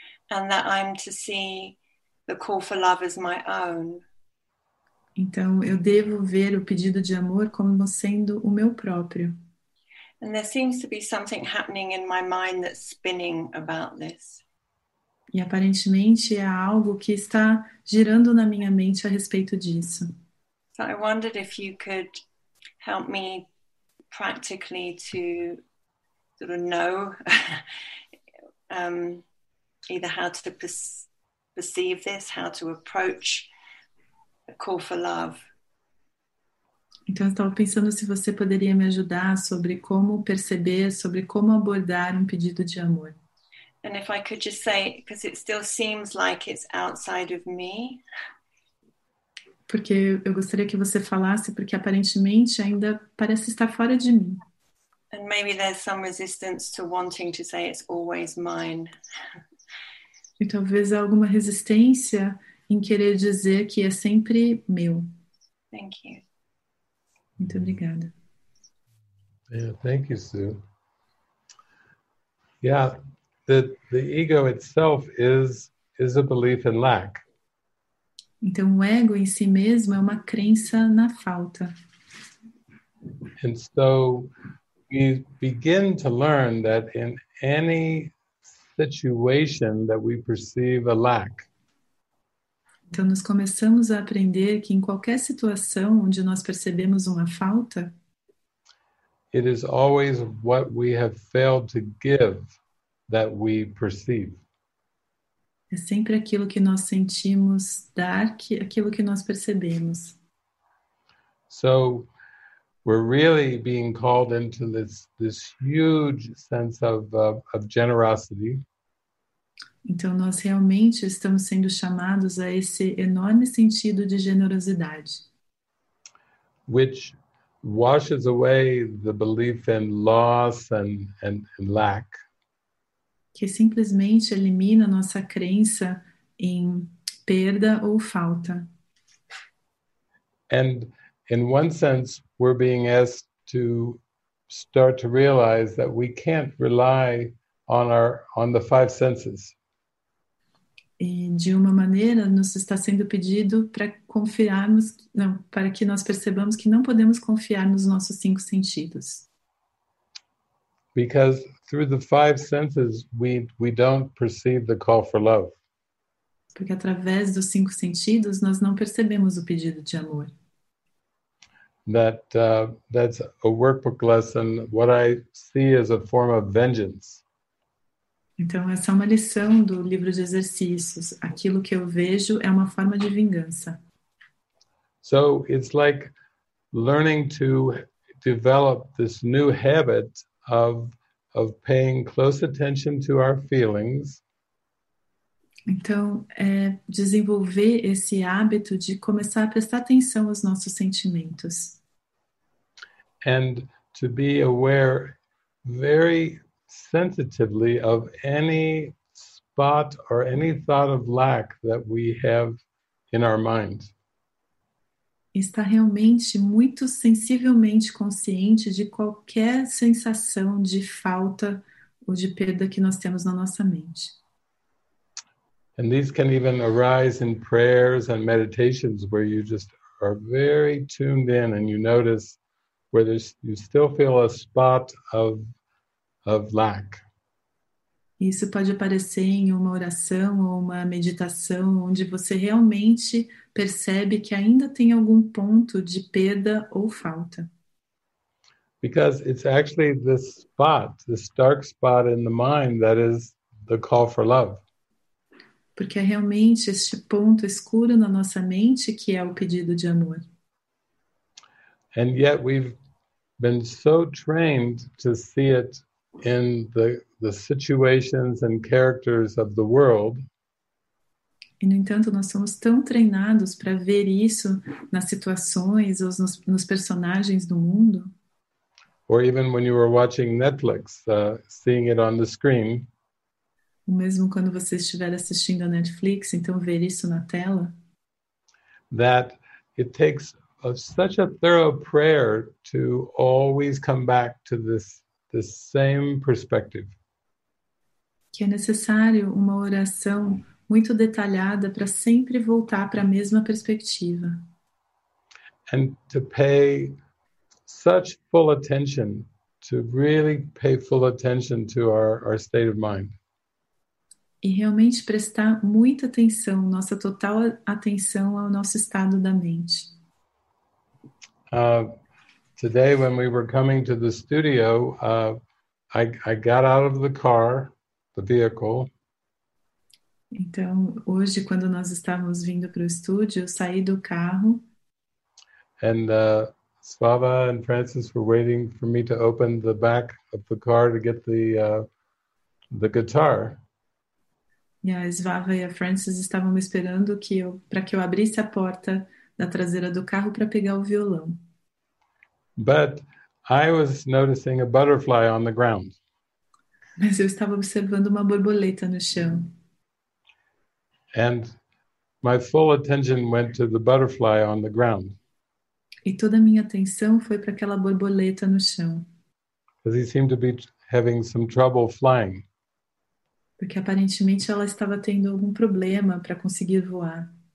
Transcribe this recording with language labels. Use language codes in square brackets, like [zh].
[en] And that I'm to see the call for love as my own. [pt] Então, eu devo ver o pedido de amor como sendo o meu próprio. [en] And there seems to be something happening in my mind that's spinning about this. [pt] E aparentemente é algo que está girando na minha mente a respeito disso. [en] So I wondered if you could help me practically to sort of know either how to perceive this, how to approach a call for love. [pt] Então eu estava pensando se você poderia me ajudar sobre como perceber, sobre como abordar um pedido de amor. [en] And if I could just say, because it still seems like it's outside of me. [pt] Porque eu gostaria que você falasse, porque aparentemente ainda parece estar fora de mim. [en] And maybe there's some resistance to wanting to say it's always mine. [pt] E talvez há alguma resistência em querer dizer que é sempre meu. [en] Thank you. [pt] Muito obrigada. [en] Yeah, thank you, Sue. Yeah, the ego itself is a belief in lack. [pt] Então, o ego em si mesmo é uma crença na falta. [en] And so, we begin to learn that in any situation that we perceive a lack. [pt] Então, nós começamos a aprender que em qualquer situação onde nós percebemos uma falta, [en] it is always what we have failed to give that we perceive. [pt] É sempre aquilo que nós sentimos dar que aquilo que nós percebemos. [en] So we're really being called into this huge sense of generosity. [pt] Então nós realmente estamos sendo chamados a esse enorme sentido de generosidade. [en] Which washes away the belief in loss and lack. [pt] Que simplesmente elimina nossa crença em perda ou falta. [en] And in one sense, we're being asked to start to realize that we can't rely on the five senses. [pt] E de uma maneira, nos está sendo pedido para confiarmos, não, para que nós percebamos que não podemos confiar nos nossos cinco sentidos. [en] Because through the five senses, we don't perceive the call for love. [pt] Porque através dos cinco sentidos, nós não percebemos o pedido de amor. [en] That's a workbook lesson. What I see is a form of vengeance. [pt] Então, essa é uma lição do livro de exercícios. Aquilo que eu vejo é uma forma de vingança. [en] So, it's like learning to develop this new habit of paying close attention to our feelings. [pt] Então, desenvolver esse hábito de começar a prestar atenção aos nossos sentimentos. [en] And to be aware very sensitively of any spot or any thought of lack that we have in our minds. [pt] Estar realmente muito sensivelmente consciente de qualquer sensação de falta ou de perda que nós temos na nossa mente. [en] And these can even arise in prayers and meditations where you just are very tuned in and you notice where there's, you still feel a spot of lack. [pt] Isso pode aparecer em uma oração ou uma meditação onde você realmente percebe que ainda tem algum ponto de perda ou falta. [en] Because it's actually this spot, this dark spot in the mind that is the call for love. [pt] Porque é realmente este ponto escuro na nossa mente que é o pedido de amor. [en] And yet we've been so trained to see it in the situations and characters of the world. [pt] E, no entanto, nós somos tão treinados para ver isso nas situações ou nos personagens do mundo. [en] Or even when you were watching Netflix, seeing it on the screen. [pt] Ou mesmo quando você estiver assistindo a Netflix, então ver isso na tela. [en] That it takes of such a thorough prayer to always come back to this same perspective. [pt] Que é necessário uma oração muito detalhada para sempre voltar para a mesma perspectiva. [en] And to pay such full attention, to really pay full attention to our state of mind. [pt] E realmente prestar muita atenção, nossa total atenção ao nosso estado da mente. [en] Today, when we were coming to the studio, I got out of the car, the vehicle. [pt] Então, hoje, quando nós estávamos vindo para o estúdio, eu saí do carro. [en] And Svava and Francis were waiting for me to open the back of the car to get the guitar. [pt] E a Svava e a Francis estavam me esperando para que eu abrisse a porta da traseira do carro para pegar o violão. [en] But I was noticing a butterfly on the ground. [pt] Mas eu estava observando uma borboleta no chão. [en] And my full attention went to the butterfly on the ground. [pt] E toda a minha atenção foi para aquela borboleta no chão. [en] Because he seemed to be having some trouble flying. [pt] Porque aparentemente ela estava tendo algum problema para conseguir voar.